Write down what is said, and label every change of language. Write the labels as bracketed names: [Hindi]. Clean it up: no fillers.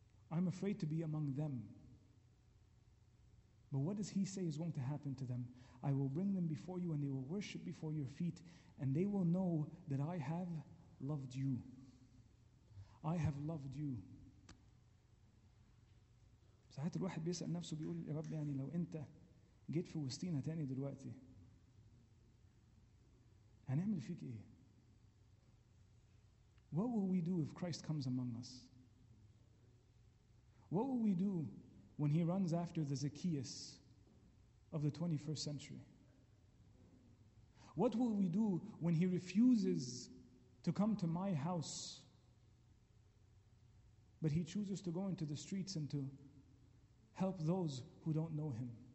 [English] I'm afraid to be among them. But what does he say is going to happen to them? I will bring them before you and they will worship before your feet and they will know that I have loved you. I have loved you. [Arabic] ساعات الواحد بيسأل نفسه بيقول يا رب يعني لو انت جيت في وسطينا تاني دلوقتي هنعمل فيك ايه؟ [English] What will we do if Christ comes among us? What will we do when he runs after the Zacchaeus of the 21st century? What will we do when he refuses to come to my house, but he chooses to go into the streets and to help those who don't know him?